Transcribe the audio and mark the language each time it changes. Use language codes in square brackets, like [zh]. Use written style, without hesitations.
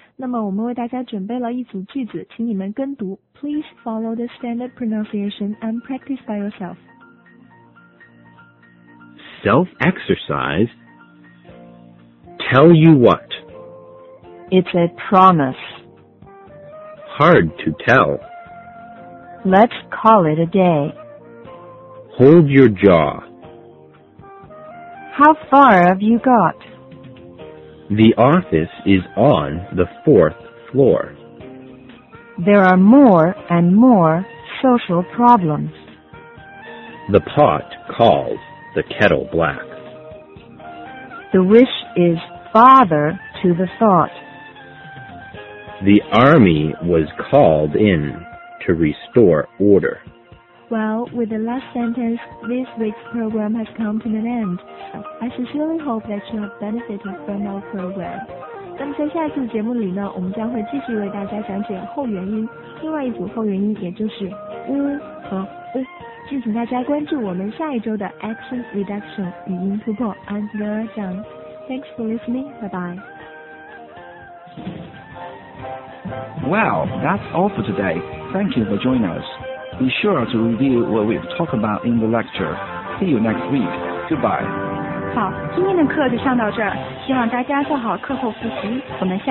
[zh] 那么我们为大家准备了一组句子，请你们跟读。 [en] Please follow the standard pronunciation and practice by yourself. Self exercise. Tell you what. It's a promise. Hard to tell. Let's call it a day. Hold your jaw. How far have you got? The office is on the fourth floor. There are more and more social problems. The pot calls the kettle black. The wish is father to the thought. The army was called in to restore order. Well, with the last sentence, this week's program has come to an end. I sincerely hope that you have benefited from our program. [zh] 那么在下次节目里呢，我们将会继续为大家讲解后元音，另外一组后元音也就是 u 和 u。敬请大家关注我们下一周的 Action Reduction 语音突破。 [en] I'm Vera Zhang. Thanks for listening. Bye bye. Well, that's all for today. Thank you for joining us. Be sure to review what we've talked about in the lecture. See you next week. Goodbye. [zh] 好，今天的课就上到这儿，希望大家做好课后复习，我们下。